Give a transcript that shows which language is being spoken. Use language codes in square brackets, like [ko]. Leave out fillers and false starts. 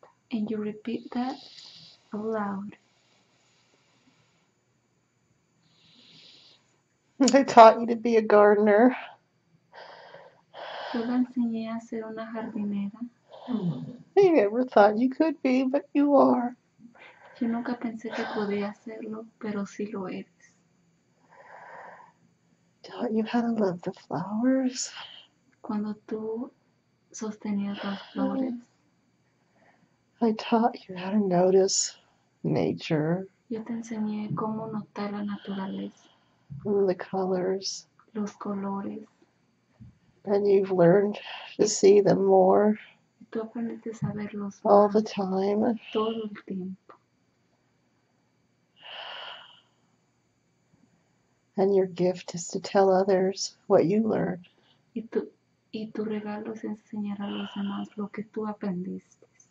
[en] and you repeat that aloud. They taught you to be a gardener. [es] Yo la enseñé a ser una jardinera. [en] You never thought you could be, but you are. [es] Yo nunca pensé que podía hacerlo, pero sí lo eres. [en] Taught you how to love the flowers. [es] Cuando tú sostenías las flores. [en] I taught you how to notice nature. [es] Yo te enseñé cómo notar la naturaleza. [en] The colors. [es] Los colores. [en] And you've learned to see them more. [es] Tú aprendes a verlos más. [en] All the time. [es] Todo el tiempo. [en] And your gift is to tell others what you learned. [es] Y tu regalo es enseñar a los demás lo que tú aprendiste.